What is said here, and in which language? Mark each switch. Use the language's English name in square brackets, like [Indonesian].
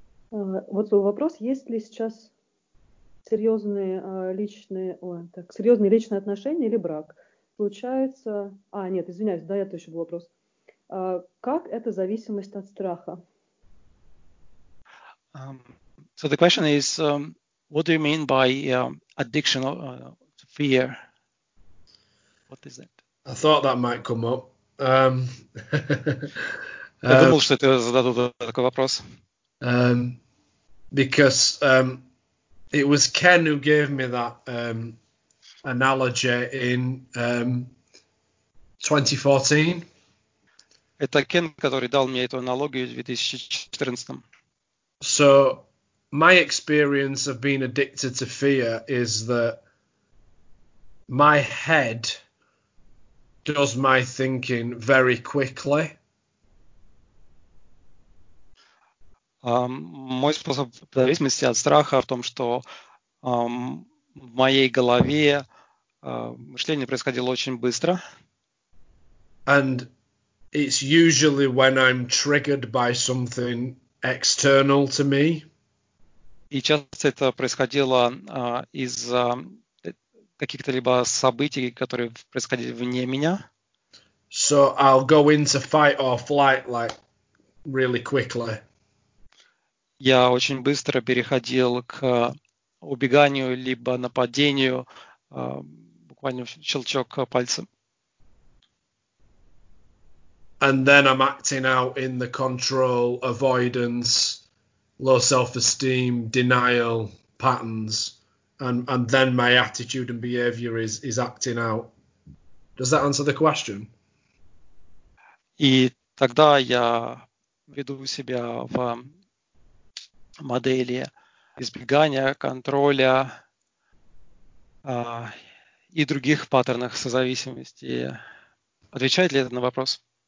[Russian] Вот вопрос, есть ли сейчас серьезные личные отношения или брак? Получается, нет, извиняюсь, да, это еще был вопрос. Как это зависимость от страха? [English] So the question is, What do you mean by addiction or fear? What is it? I thought that might come up. because it was Ken who gave me that analogy in 2014. [Russian] Это Кен, который дал мне эту аналогию в 2014. [English] So my experience of being addicted to fear is that my head does my thinking very quickly. [Russian] Мой способ в зависимости от страха в том, что в моей голове мышление происходило очень быстро. [English] And it's usually when I'm triggered by something external to me. [Russian] И часто это происходило из-за каких-то либо событий, которые происходили вне меня. [English] So I'll go into fight or flight like really quickly. [Russian] Я очень быстро переходил к убеганию либо нападению, буквально щелчок пальцем. [English] And then I'm acting out in the control, avoidance, low self-esteem, denial patterns, and then my attitude and behavior is acting out. Does that answer the question? [Russian] И тогда я веду себя в модели избегания, контроля и других паттернах созависимости. Отвечает ли это на вопрос?